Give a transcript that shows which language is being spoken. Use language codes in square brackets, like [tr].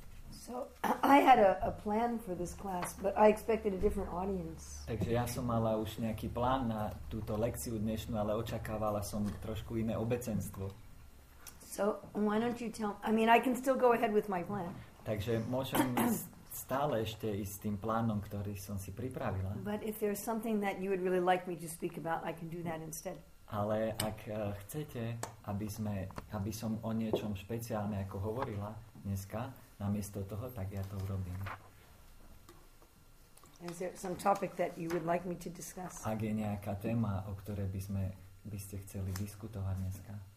[en] So I had a plan for this class, but I expected a different audience. [sk] Takže ja som mala už nejaký plán na túto lekciu dnešnú, ale očakávala som trošku iné obecenstvo. [en] So why don't you tell? I mean, I can still go ahead with my plan. [sk] Takže môžem stále ešte ísť s tým plánom, ktorý som si pripravila. [en] But if there's something that you would really like me to speak about, I can do that instead. [sk] Ale ak chcete, aby som o niečom špeciálne ako hovorila dneska, namiesto toho, tak ja to urobím. [en] Is there some topic that you would like me to discuss? [sk] Ak je nejaká téma, o ktorej by ste chceli diskutovať dneska?